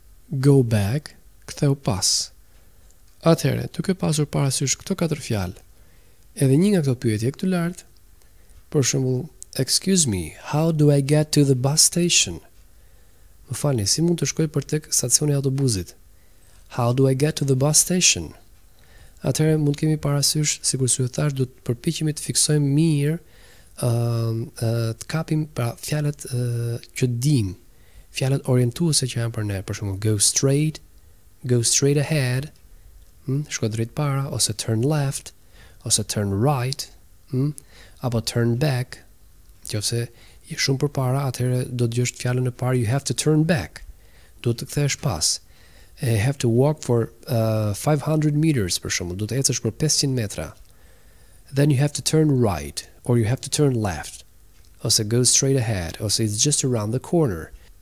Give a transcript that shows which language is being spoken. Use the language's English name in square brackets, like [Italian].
[English] Go back, [Albanian] ktheu pas. Atëherë, duke pasur parasysh këto katër fjalë, edhe një nga këto pyetje këtu lart, për shembull, [English] excuse me, how do I get to the bus station? [Albanian] Më falni, si mund të shkoj për tek stacioni I autobusit? [English] How do I get to the bus station? [Albanian] Atëherë mund kemi parasysh, sikur ju thash, do të përpiqemi të fiksojmë mirë, të kapim pra fjalët që dim, fjalët orientuese që janë për ne, për shembull, [English] go straight ahead. [Albanian] Shko drejt para, [English] ose turn left, ose turn right, apo turn back, [Albanian] që ose I shumë për para, atëherë do të gjësht fjallën e parë, [English] you have to turn back, [Albanian] do të kthesh pas, [English] you have to walk for 500 meters, [Albanian] për shumë, do të ecësh për 500 metra, [English] then you have to turn right, or you have to turn left, ose go straight ahead, ose it's just around the corner.